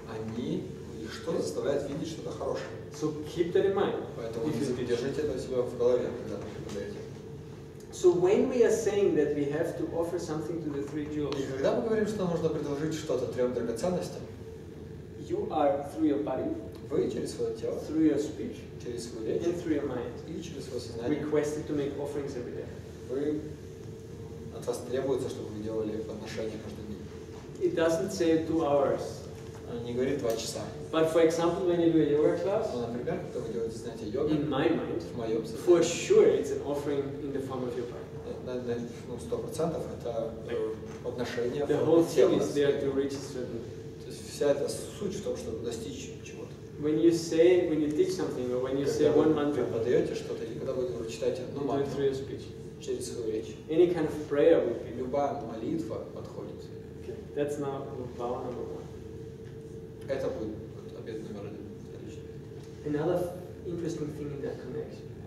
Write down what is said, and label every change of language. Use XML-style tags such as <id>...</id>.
<ru>Они что заставляет видеть что-то хорошее.</ru> <en>So keep that in mind.</en> <ru>Поэтому не задержите это у себя в голове, когда вы приходите.</ru> <en>So when we are saying that we have to offer something to the three jewels,</en> <ru>и когда мы говорим, что нужно предложить что-то трем драгоценностям,</ru> <en>you are through your body,</en> <ru>вы через свое тело,</ru> <en>through your speech,</en> <ru>через свою речь,</ru> <en>and through your mind,</en> <ru>и через свое сознание,</ru> <en>requested to make offerings every day.</en> <ru>Вы от вас требуется, чтобы вы делали подношения каждый день.</ru> <en>It doesn't say 2 hours.</en> <ru>Он не говорит 2 часа.</ru> <en>But for example, when you do a yoga class,</en> <ru>например, когда вы делаете занятие йогой,</ru> <en>in my mind,</en> <ru>в моем сознании,</ru> <en>for sure it's an offering in the form of your body.</en> <ru>На 100% это подношение.</ru> <en>The whole thing is there to reach a certain.</en> <ru>То есть вся эта суть в том, чтобы достичь чего-то.</ru> <en>When you say, when you teach something, or when you say one mantra,</en> <ru>подаете что-то, или когда вы читаете одну мантру,</ru> <en>do it through your speech,</en> <ru>через свою речь.</ru> <en>Any kind of prayer would be.</en> <ru>Любая молитва подходит.</ru> <en>Okay, that's now power number one.</en> <ru>Это будет обед номер один. Отлично.</ru> <en>Another interesting thing in that connection.</en>